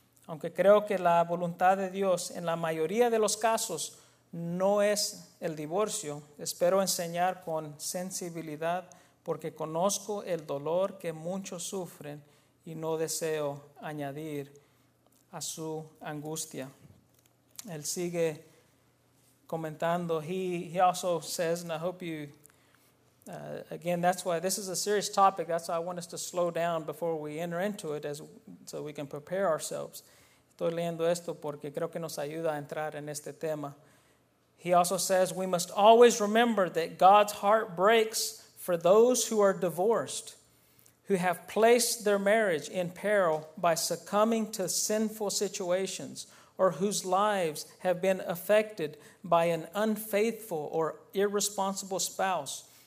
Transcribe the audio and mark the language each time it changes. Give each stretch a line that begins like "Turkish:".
Spanish: Aunque creo que la voluntad de Dios en la mayoría de los casos no es el divorcio, espero enseñar con sensibilidad porque conozco el dolor que muchos sufren y no deseo añadir a su angustia. Él sigue comentando.
English: He also says, and I hope you, again, that's why this is a serious topic. That's why I want us to slow down before we enter into it so we can prepare ourselves.
Spanish: Estoy leyendo esto porque creo que nos ayuda a entrar en este tema.
English: He also says, we must always remember that God's heart breaks for those who are divorced, who have placed their marriage in peril by succumbing to sinful situations, or whose lives have been affected by an unfaithful or irresponsible spouse.